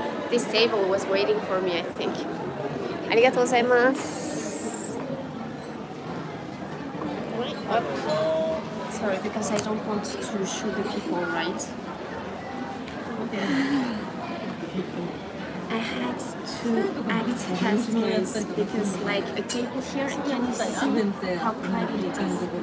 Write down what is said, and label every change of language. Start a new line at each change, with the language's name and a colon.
English: This table was waiting for me, I think.
Japanese: ありがとうございます。
English: Sorry, because I don't want to shoot the people, right? I had to act as this because, like, a table here, can you see how crowded it is?